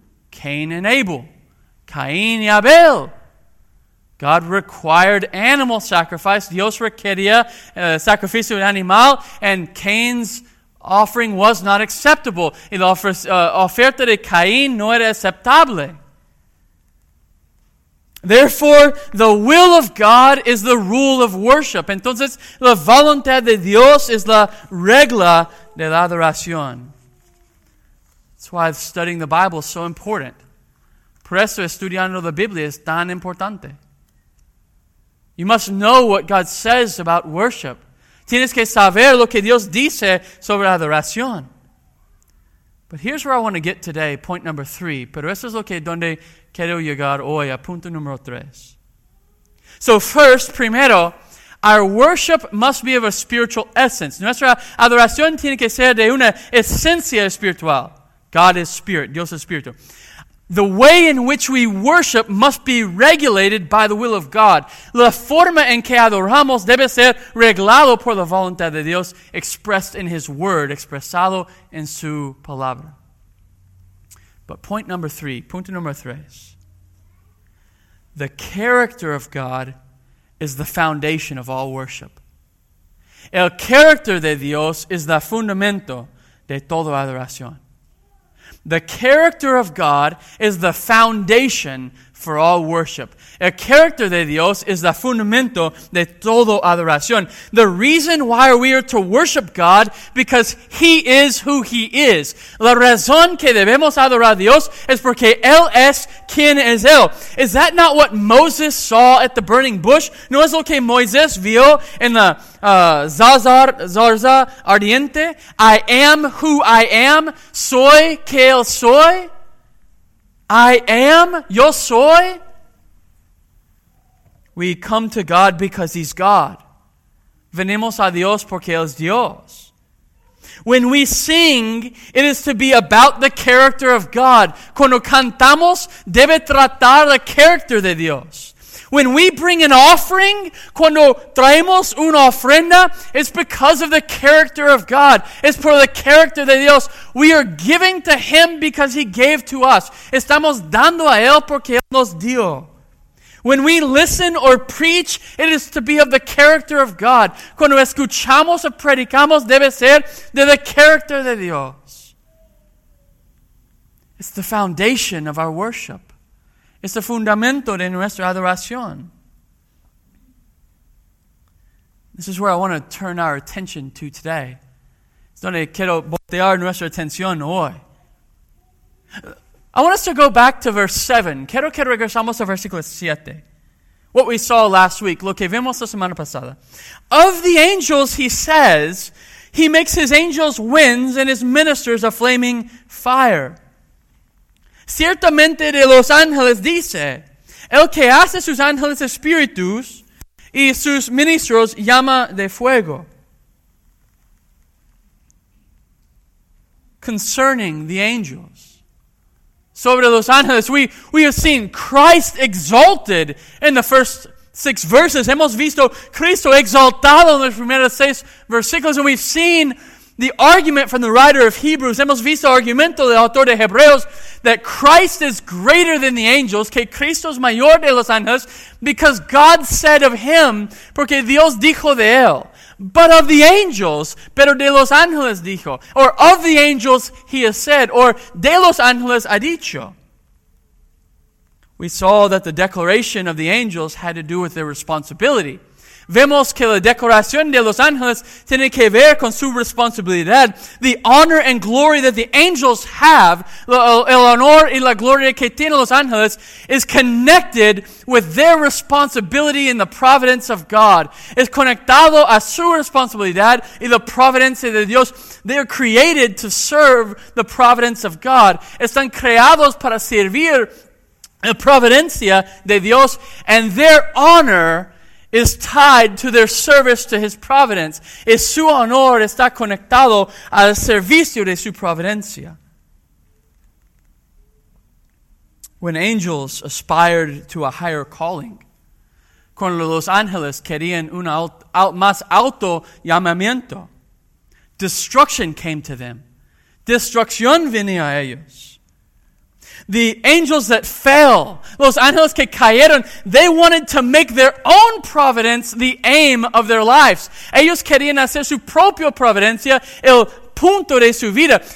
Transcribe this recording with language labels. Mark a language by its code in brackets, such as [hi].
[en] Cain and Abel, [es] Caín y Abel. [en] God required animal sacrifice. [es] Dios requería sacrificio de animal, [en] and Cain's offering was not acceptable. [es] Y la oferta de Caín no era aceptable. [en] Therefore, the will of God is the rule of worship. [es] Entonces, la voluntad de Dios es la regla de la adoración. [en] That's why studying the Bible is so important. [es] Por eso, estudiando la Biblia es tan importante. [en] You must know what God says about worship. [es] Tienes que saber lo que Dios dice sobre adoración. [en] But here's where I want to get today, point number three. [es] Pero eso es lo que donde quiero llegar hoy, a punto número tres. [en] So first, primero, our worship must be of a spiritual essence. [es] Nuestra adoración tiene que ser de una esencia espiritual. [en] God is spirit, [es] Dios es espíritu. [en] The way in which we worship must be regulated by the will of God. [es] La forma en que adoramos debe ser reglado por la voluntad de Dios, [en] expressed in His Word, [es] expresado en su palabra. [en] But point number three, [es] punto número tres. [en] The character of God is the foundation of all worship. [es] El character de Dios es el fundamento de toda adoración. [en] The character of God is the foundation for all worship. [es] El character de Dios es el fundamento de toda adoración. [en] The reason why we are to worship God, because He is who He is. [es] La razón que debemos adorar a Dios es porque Él es quien es Él. [en] Is that not what Moses saw at the burning bush? [es] ¿No es lo que Moisés vio en la zarza ardiente? [en] I am who I am. [es] Soy que Él soy. [en] I am, [es] yo soy. [en] We come to God because He's God. [es] Venimos a Dios porque Él es Dios. [en] When we sing, it is to be about the character of God. [es] Cuando cantamos, debe tratar el carácter de Dios. [en] When we bring an offering, [es] cuando traemos una ofrenda, [en] it's because of the character of God. [es] It's por el carácter de Dios. [en] We are giving to Him because He gave to us. [es] Estamos dando a Él porque Él nos dio. [en] When we listen or preach, it is to be of the character of God. [es] Cuando escuchamos o predicamos, debe ser de el carácter de Dios. [en] It's the foundation of our worship. [es] Es el fundamento de nuestra adoración. [en] This is where I want to turn our attention to today. [es] Es donde quiero voltear nuestra atención hoy. [en] I want us to go back to verse 7. [es] Quiero que regresamos al versículo 7. [en] What we saw last week, [es] lo que vimos la semana pasada. [en] Of the angels, he says, he makes his angels winds and his ministers a flaming fire. [es] Ciertamente de los ángeles dice, el que hace sus ángeles espíritus y sus ministros llama de fuego. [en] Concerning the angels. [es] Sobre los ángeles, [en] we have seen Christ exalted in the first 6 verses. [es] Hemos visto Cristo exaltado en los primeros 6 versículos, [en] and we've seen the argument from the writer of Hebrews, [es] hemos visto argumento del autor de Hebreos, [en] that Christ is greater than the angels, [es] que Cristo es mayor de los ángeles, [en] because God said of him, [es] porque Dios dijo de él, [en] but of the angels, [es] pero de los ángeles dijo, [en] or of the angels he has said, [es] or de los ángeles ha dicho. [en] We saw that the declaration of the angels had to do with their responsibility. [es] Vemos que la declaración de los ángeles tiene que ver con su responsabilidad. [en] The honor and glory that the angels have, [es] el honor y la gloria que tienen los ángeles, [en] is connected with their responsibility in the providence of God. [es] Es conectado a su responsabilidad y la providencia de Dios. [en] They are created to serve the providence of God. Están creados para servir la providencia de Dios, and their honor is tied to their service to His providence. [es] Es su honor está conectado al servicio de su providencia. When angels aspired to a higher calling, cuando los ángeles querían un más alto llamamiento, destruction came to them. Destrucción venía a ellos. [en] The angels that fell, [es] los ángeles que cayeron, [en] they wanted to make their own providence the aim of their lives. [es] Ellos querían hacer su propia providencia, el punto de su vida.